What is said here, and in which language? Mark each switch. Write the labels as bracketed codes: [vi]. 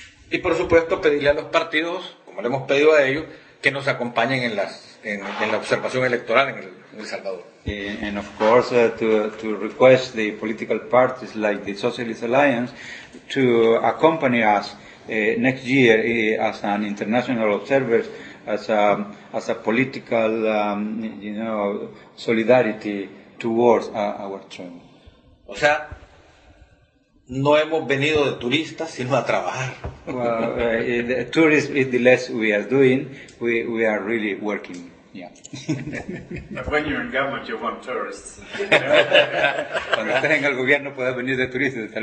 [es] Y por supuesto pedirle a los partidos, como le hemos pedido a ellos, que nos acompañen en la observación electoral en El Salvador. [en] And of course to request the political parties like the Socialist Alliance to accompany us next year as an international observer, as a political solidarity towards our train. [es] O sea, no hemos venido de turistas, sino a trabajar. [en] Well, the tourism is the less we are doing, we are really working. Yeah. But when you're in government, you want tourists. [es] Cuando estés en el gobierno, puedes venir de turistas.